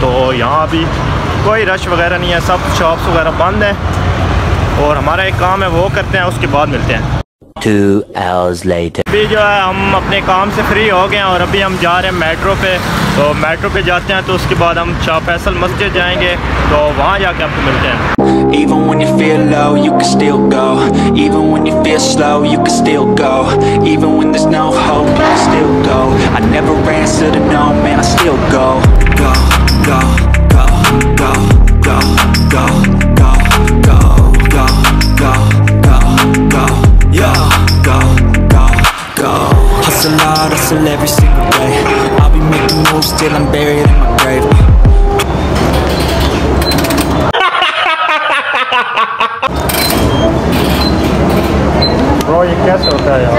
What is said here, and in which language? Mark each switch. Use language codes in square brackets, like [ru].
[hi] तो यहाँ अभी कोई रश वगैरह नहीं है, सब शॉप्स वगैरह बंद हैं और हमारा एक काम है वो करते हैं, उसके बाद मिलते हैं. [en] 2 hours later. [hi] अभी जो है हम अपने काम से फ्री हो गए हैं और अभी हम जा रहे हैं मेट्रो पे. तो मेट्रो पे जाते हैं तो उसके बाद हम शाह फैसल मस्जिद जाएंगे, तो वहाँ जाके आपको मिलते हैं. [en] Even when you feel low, you can still go. Even when you feel slow, you can still go. Even when there's no hope, you can still go. I never answer to no, man, I still go. Go, go, go, go, go, go, go, go, go, go, go, go, yo, go, go, go. Hustle hard, hustle every single day. I'll be making moves till I'm buried in my grave. [hi] Bro, ये कैसे होता है यार?